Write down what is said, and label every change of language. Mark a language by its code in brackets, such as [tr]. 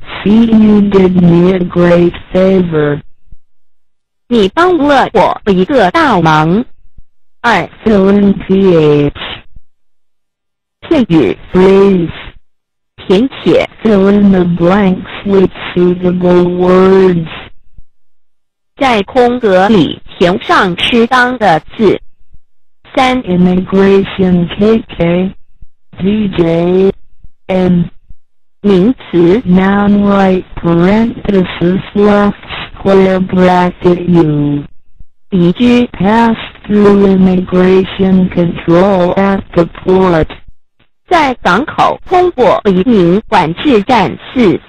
[en] See you did me a great favor. [zh] 你帮了我一个大忙。二 [en] Fill in PH [zh] 片语 [en] Phrase [zh] P 填写 [en] Fill in the blanks with suitable words [zh] 在空格里填上适当的字三 [en] Immigration KK DJ M [zh] 名词 [en] Noun right parenthesis left square bracket U [zh] 移居 [en] Pass through immigration control at the port [zh] 在港口通过移民管制站四